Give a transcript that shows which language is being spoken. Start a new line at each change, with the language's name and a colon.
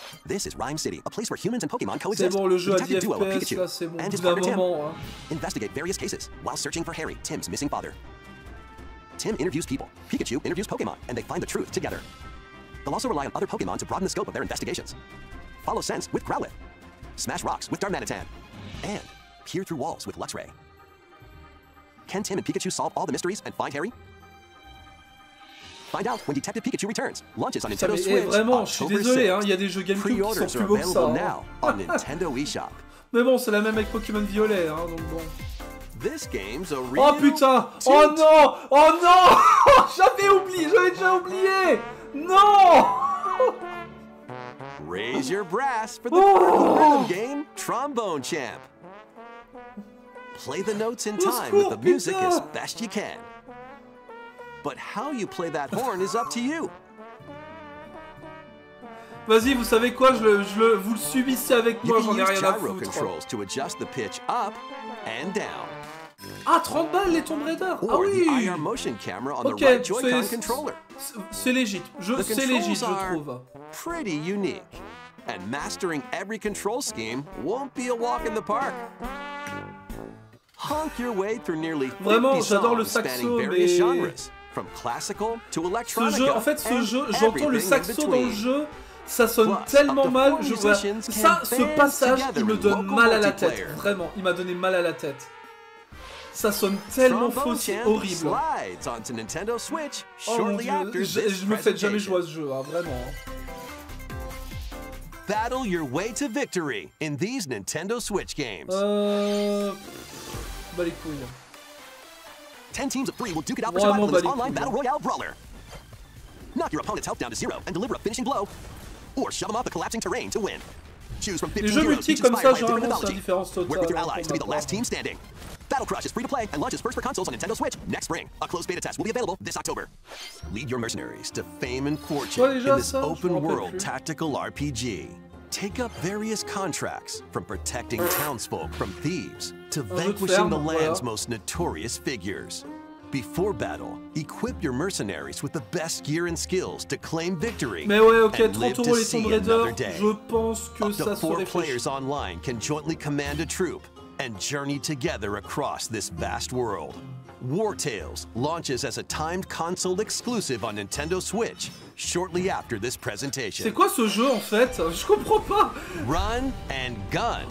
English: This is Rhyme City, a place where humans and Pokemon coexist.
French: C'est bon, le jeu a dit FPS, là, c'est bon, d'un moment, hein.
English: Investigate various cases while searching for Harry, Tim's missing father. Tim interviews people, Pikachu interviews Pokemon, and they find the truth together. They'll also rely on other Pokemon to broaden the scope of their investigations. Follow Sense with Growlithe, smash rocks with Darmanitan, and peer through walls with Luxray. Can Tim and Pikachu solve all the mysteries and find Harry? Find out when Detective Pikachu returns. Launches on Nintendo Switch.
French: Vraiment, je suis désolé, hein. Il y a des jeux GameCube qui sont plus beaux que ça.
English: Now on Nintendo eShop.
French: Mais bon, c'est la même avec Pokémon Violet, hein. Donc bon.
English: This game's a real.
French: Oh putain! Oh non! Oh non! J'avais oublié. J'avais déjà oublié. Non!
English: raise your brass for the rhythm game, Trombone Champ. Play the notes in time with the music as best you can. But how you play that horn is up to you.
French: Vas-y, vous savez quoi, vous le subissez avec moi, j'en ai rien à foutre.
English: Gyro controls to adjust the pitch up and down.
French: Ah, 30 balles les Tomb Raider. Ah oui.
English: IR motion camera on the right Joy-Con controller.
French: C'est légit, je trouve.
English: Pretty unique. And mastering every control scheme won't be a walk in the park. Honk your way through nearly 50 songs spanning various genres, from classical to electronic.
French: Ce jeu, j'entends le saxo dans le jeu. Ça sonne tellement mal, je vois. Ça, ce passage, il me donne mal à la tête. Vraiment, il m'a donné mal à la tête. Ça sonne tellement faux, c'est horrible. Oh mon dieu, je me fais jamais jouer à ce jeu, hein, vraiment.
English: Battle your way to victory in these Nintendo Switch games.
French: Bah les couilles.
English: 10 teams of 3 will duke it out for survival in this online battle royale brawler. Knock your opponent's health down to 0 and deliver a finishing blow. Or shove them off the collapsing terrain to win. Choose from 15 heroes each inspired by a different mythology. Work with your allies to be the last team standing. Battle Crush is free to play and launches first for consoles on Nintendo Switch next spring. A closed beta test will be available this October. Lead your mercenaries to fame and fortune in this open world tactical RPG. Take up various contracts, from protecting townsfolk from thieves to vanquishing the land's most notorious figures. Before battle, equip your mercenaries with the best gear and skills to claim victory.
French: Mais ouais, ok, 30 euros les Tomb Raider, je pense que ça serait.
English: Four players online can jointly command a troop and journey together across this vast world. War Tales launches as a timed console exclusive on Nintendo Switch shortly after this presentation.
French: C'est quoi ce jeu en fait? Je comprends pas.
English: Run and gun.